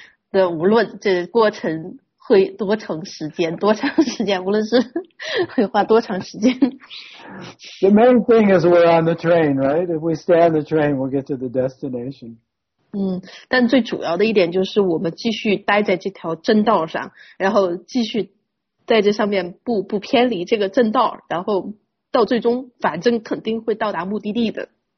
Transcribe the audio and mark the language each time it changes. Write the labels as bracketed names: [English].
[Chinese] 对，无论这过程会多长时间，多长时间，无论是会花多长时间。 [English] The main thing is we're on the train, right? If we stay on the train, we'll get to the destination. [Chinese] 但最主要的一点就是我们继续待在这条正道上，然后继续在这上面不偏离这个正道，然后到最终反正肯定会到达目的地的。